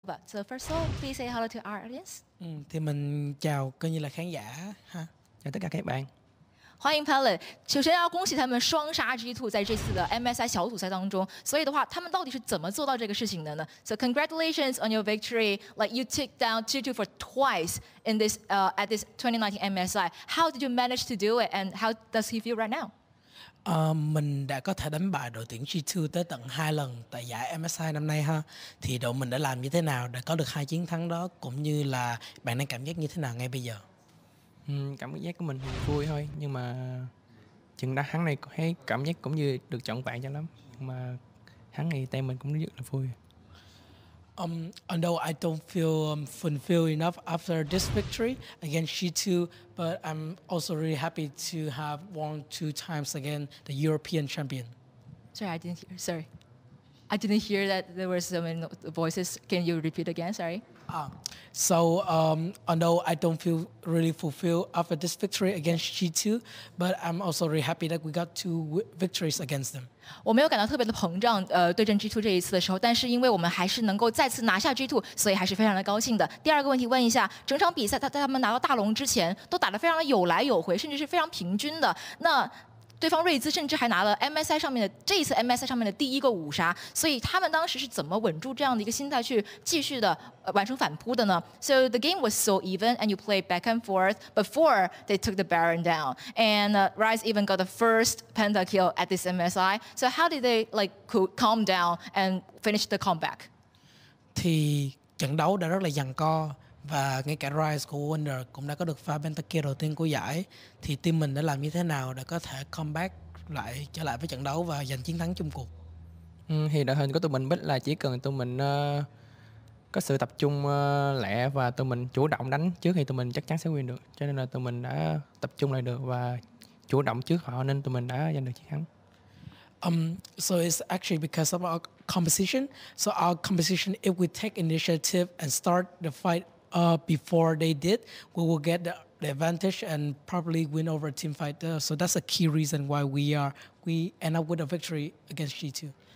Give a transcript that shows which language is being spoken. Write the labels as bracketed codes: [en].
[en] Vâng, so first of all, please say hello to our audience. [vi] Ừ, thì mình chào coi như là khán giả ha. Chào tất cả các bạn. [zh] 欢迎 Palette， 首先要恭喜他们双杀 G2 在这次的 MSI 小组赛当中。所以的话，他们到底是怎么做到这个事情的呢 ？ [en] So congratulations on your victory. Like you took down G2 for twice in this at this 2019 MSI. How did you manage to do it? And how does he feel right now? [vi] Mình đã có thể đánh bại đội tuyển G2 tới tận hai lần tại giải MSI năm nay ha. Thì đội mình đã làm như thế nào để có được hai chiến thắng đó? Cũng như là bạn đang cảm giác như thế nào ngay bây giờ? Cảm giác của mình vui thôi, nhưng mà trận đá hắn này thấy cảm giác cũng như được chọn bạn cho lắm, nhưng mà hắn này tay mình cũng rất là vui. [en] Although I don't feel fulfilled enough after this victory against G2, but I'm also really happy to have won two times again the European champion. Sorry, I didn't hear that there were so many voices. Can you repeat again? Sorry. Although I don't feel really fulfilled after this victory against G2, but I'm also really happy that we got two victories against them. [zh] 我没有感到特别的膨胀，对阵 G2这一次的时候，但是因为我们还是能够再次拿下 G2，所以还是非常的高兴的。第二个问题问一下，整场比赛在他们拿到大龙之前，都打得非常的有来有回，甚至是非常平均的。那对方瑞兹甚至还拿了 MSI 上面的这一次 MSI 上面的第一个五杀，所以他们当时是怎么稳住这样的一个心态去继续的完成反扑的呢 ？ [en] So the game was so even, and you played back and forth before they took the Baron down, and Ryze even got the first Penta kill at this MSI. So how did they like calm down and finish the comeback? [vi] 对，trận đấu đã rất là giằng co. Và ngay cả Rise của Wonder cũng đã có được pha penta kill đầu tiên của giải. Thì team mình đã làm như thế nào để có thể comeback lại trở lại với trận đấu và giành chiến thắng chung cuộc? Thì đội hình của tụi mình biết là chỉ cần tụi mình có sự tập trung lẹ và tụi mình chủ động đánh trước thì tụi mình chắc chắn sẽ win được. Cho nên là tụi mình đã tập trung lại được và chủ động trước họ nên tụi mình đã giành được chiến thắng. [en] So it's actually because of our composition. So our composition, if we take initiative and start the fight before they did, we will get the advantage and probably win over a team fight. So that's a key reason why we end up with a victory against G2.